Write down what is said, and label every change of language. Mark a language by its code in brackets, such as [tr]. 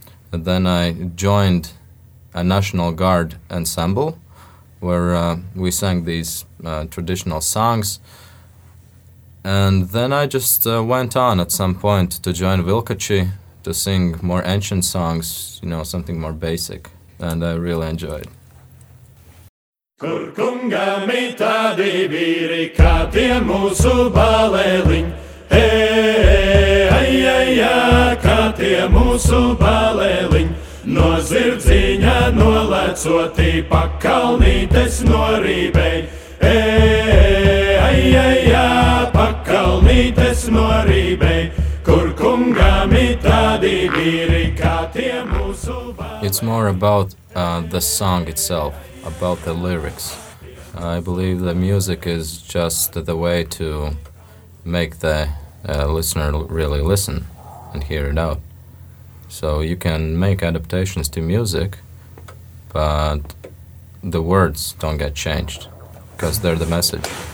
[en] And then I joined a National Guard ensemble where we sang these traditional songs. And then I just went on at some point to join Vilkači to sing more ancient songs, you know, something more basic, and I really enjoyed. [ltg] Kur kunga mītā dībīri, kā tie mūsu balēliņ. He, ajajā, kā tie mūsu balēliņ. No zirdziņa nolecotī, pakalnītes norībei. He, ajajā, pakalnītes norībei. Kur kunga mītā dībīri, kā tie mūsu balēliņ. [en] It's more about the song itself. About the lyrics. I believe the music is just the way to make the listener really listen and hear it out. So you can make adaptations to music, but the words don't get changed because they're the message.